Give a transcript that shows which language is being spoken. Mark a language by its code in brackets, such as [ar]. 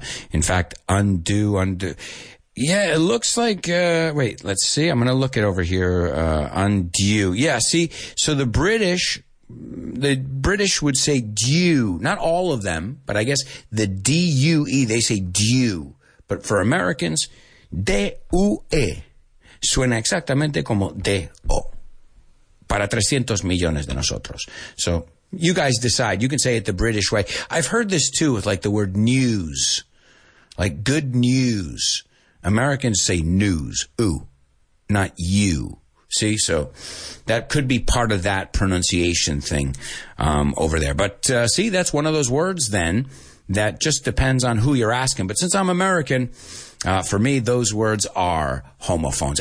[en] In fact, undo, undo. Yeah, it looks like, wait, let's see. I'm going to look it over here. Undo. Yeah, see, so the British would say due, not all of them, but I guess the D-U-E, they say due. But for Americans, D-U-E. [es] Suena exactamente como D-O para 300 millones de nosotros. [en] So you guys decide. You can say it the British way. I've heard this too with like the word news, like good news. Americans say news, ooh, not you. See, so that could be part of that pronunciation thing over there. But see, that's one of those words then that just depends on who you're asking. But since I'm American, for me, those words are homophones.